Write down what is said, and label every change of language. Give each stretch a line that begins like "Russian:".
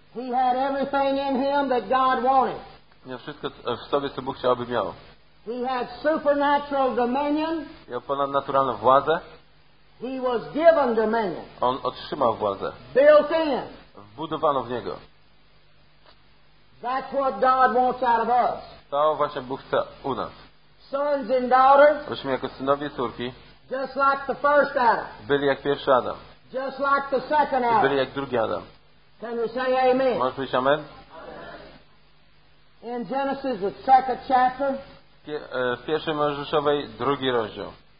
English: He had everything in him that God wanted.
Polish: Miał wszystko w sobie, co Bóg chciałby miał.
English: He had supernatural dominion.
Polish: Miał ponadnaturalną władzę.
English: He was given dominion.
Polish: On otrzymał władzę.
English: Built in.
Polish: Wbudowano w niego.
English: That's what God wants out of us.
Polish: To właśnie Bóg chce u nas.
English: Sons and daughters.
Polish: Byliśmy jako synowie i córki.
English: Just like the first Adam.
Polish: Byli jak pierwszy Adam.
English: Just like the second Adam.
Polish: Byli jak drugi Adam.
English: Can you say amen?
Polish: Możesz powiedzieć amen?
English: In Genesis, the second chapter.
Polish: W pierwszej Mojżeszowej drugi rozdział.